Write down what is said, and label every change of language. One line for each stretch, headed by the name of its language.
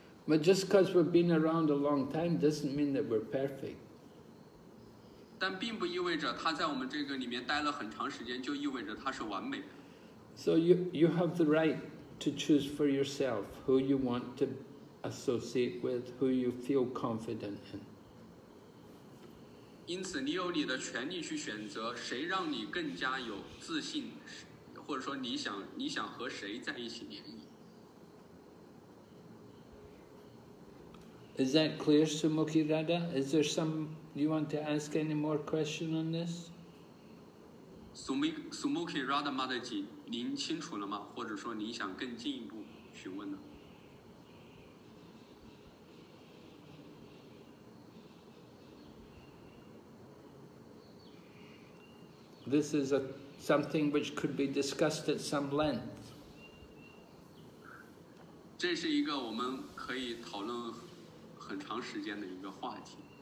English: But just because we've been around a long time doesn't mean that we're perfect.
Chinese: 但并不意味着他在我们这个里面待了很长时间就意味着他是完美的。
English: So you have the right to choose for yourself who you want to associate with, who you feel confident in.
Chinese: 因此你有你的权利去选择谁让你更加有自信，或者说你想和谁在一起联谊。
English: Is that clear, Sumukhi Radha? Is there some, you want to ask any more question on this?
Chinese: Sumukhi Radha Mataji, 您清楚了吗？或者说您想更进一步询问呢？
English: This is something which could be discussed at some length.
Chinese: 这是一个我们可以讨论很长时间的一个话题。